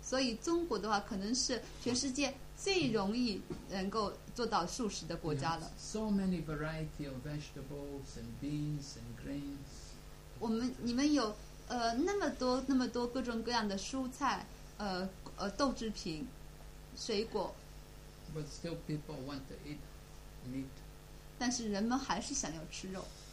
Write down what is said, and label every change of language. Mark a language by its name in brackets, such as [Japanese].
[Chinese] 所以中国的话，可能是全世界最容易能够做到素食的国家了。 [English] So many variety of vegetables and beans and grains. [Chinese] 你们有那么多各种各样的蔬菜，豆制品，水果。 [English] But still, people want to eat meat. [Chinese] 但是人们还是想要吃肉。